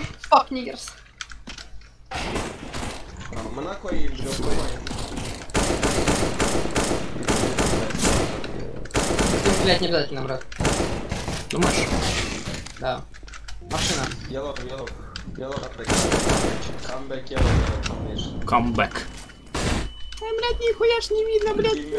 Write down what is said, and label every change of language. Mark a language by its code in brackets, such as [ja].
[en] Fuck niggers. [ru] Монако и Джо. Блять, не обязательно, брат. Думаешь? Да. Машина. [en] Yellow, yellow. Yellow, comeback, yellow, yellow. Comeback. [ru] Да, блять, нихуя ж не видно, блять.